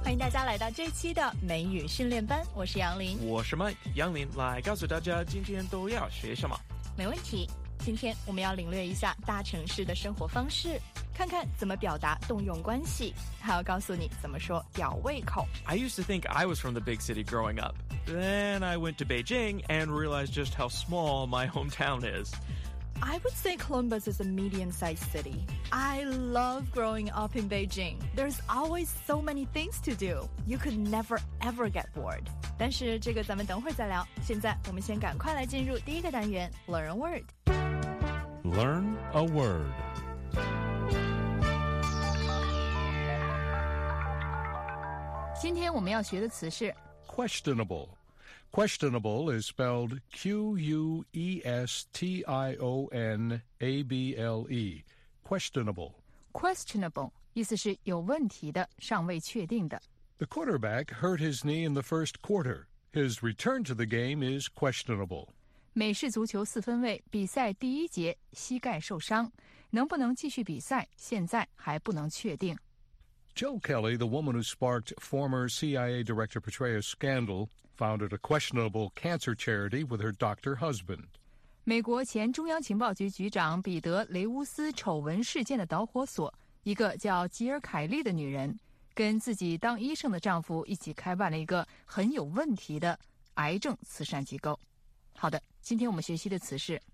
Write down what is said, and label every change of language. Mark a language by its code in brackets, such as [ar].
[zh] 家来到这期的美语训练班，我是杨林。我是麦杨林，来告诉大家今天都要学什么。没问题，今天我们要领略一下大城市的生活方式，看看怎么表达动用关系，还要告诉你怎么说吊胃口。 [en] I used to think I was from the big city growing up. Then I went to Beijing and realized just how small my hometown is. I would say Columbus is a medium-sized city. I love growing up in Beijing. There's always so many things to do. You could never ever get bored. [zh] 但是这个咱们等会儿再聊，现在我们先赶快来进入第一个单元 Learn a Word. [en] Learn a Word. [zh] 今天我们要学的词是 [en] questionable. Questionable is spelled Q-U-E-S-T-I-O-N-A-B-L-E. Questionable. [zh] Questionable 意思是有问题的，尚未确定的。 [en] The quarterback hurt his knee in the first quarter. His return to the game is questionable. [zh] 美式足球四分卫比赛第一节膝盖受伤，能不能继续比赛，现在还不能确定。 [en] Jill Kelly, the woman who sparked former CIA Director Petraeus' scandal, founded a questionable cancer charity with her doctor husband. [zh] 美国前中央情报局局长彼得·雷乌斯丑闻事件的导火索，一个叫吉尔·凯利的女人，跟自己当医生的丈夫一起开办了一个很有问题的癌症慈善机构。好的，今天我们学习的词是